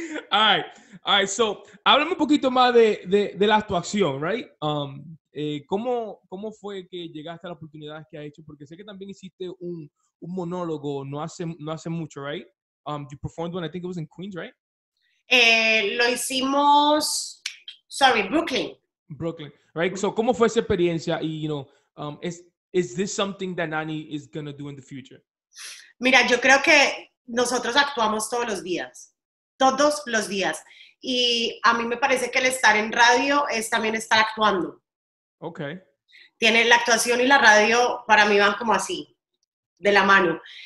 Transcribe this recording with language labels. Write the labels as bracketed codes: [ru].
[en] All right, so, [es] háblame un poquito más de la actuación, right? ¿Cómo fue que llegaste a las oportunidades que has hecho? Porque sé que también hiciste un monólogo no hace mucho, right? [en] You performed one, I think it was in Queens, right? [es] Lo hicimos, Brooklyn. [en] Brooklyn, right? [es] So, ¿cómo fue esa experiencia? [en] Y, you know, is this something that Nani is going to do in the future? [es] Mira, yo creo que nosotros actuamos todos los días. Todos los días. Y a mí me parece que el estar en radio es también estar actuando. Ok. Tiene la actuación y la radio, para mí van como así, de la mano.